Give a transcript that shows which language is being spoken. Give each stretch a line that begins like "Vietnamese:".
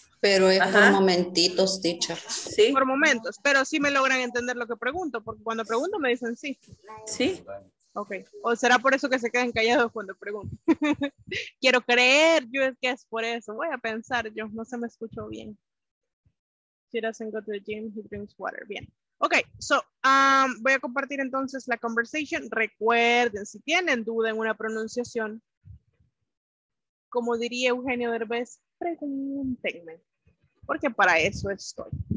Spanish: Pero es ajá. Por momentitos, dicho. Sí. Por momentos, pero sí me logran entender lo que pregunto, porque cuando pregunto me dicen sí. Sí. Ok, o será por eso que se quedan callados cuando pregunto. Quiero creer yo es que es por eso. Voy a pensar yo, no se me escuchó bien.
English: She doesn't go to the gym, he drinks water.
Spanish: Bien. Ok, so, voy a compartir entonces la conversation. Recuerden, si tienen duda en una pronunciación, como diría Eugenio Derbez, pregúntenme, porque para eso estoy.